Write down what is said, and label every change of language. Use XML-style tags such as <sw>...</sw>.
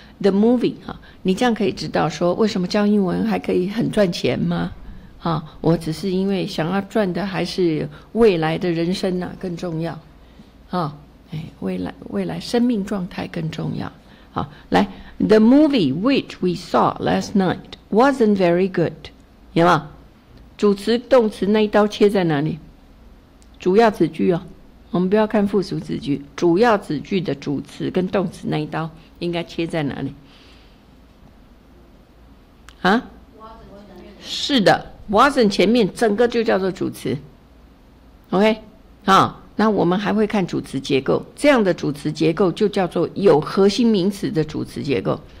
<en>The movie</en> <zh>哈，你这样可以知道说为什么教英文还可以很赚钱吗？我只是因为想要赚的还是未来的人生啊更重要，未来生命状态更重要。好，来</zh> <en>，The movie which we saw last night wasn't very good，</en> <zh>有吗？主词动词那一刀切在哪里？主要子句哦，我们不要看附属子句，主要子句的主词跟动词那一刀应该切在哪里？啊？是的。wasn't 前面整个就叫做主词 ，OK， 好，那我们还会看主词结构，这样的主词结构就叫做有核心名词的主词结构。</zh>